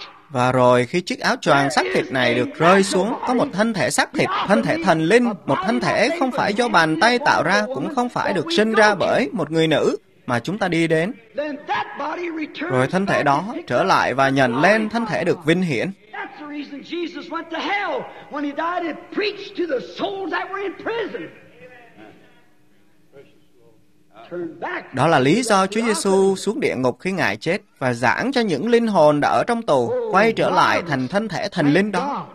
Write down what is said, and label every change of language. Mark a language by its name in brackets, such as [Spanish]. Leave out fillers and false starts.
[Vietnamese] Và rồi khi chiếc áo choàng xác thịt này được rơi xuống, có một thân thể xác thịt, thân thể thần linh, một thân thể không phải do bàn tay tạo ra, cũng không phải được sinh ra bởi một người nữ mà chúng ta đi đến. Rồi thân thể đó trở lại và nhận lên thân thể được vinh hiển. [English] reason Jesus went to hell. When he died, he preached to the souls that were in prison. [Vietnamese] Đó là lý do Chúa Giê-xu xuống địa ngục khi Ngài chết và giảng cho những linh hồn đã ở trong tù quay trở lại thành thân thể thần linh đó.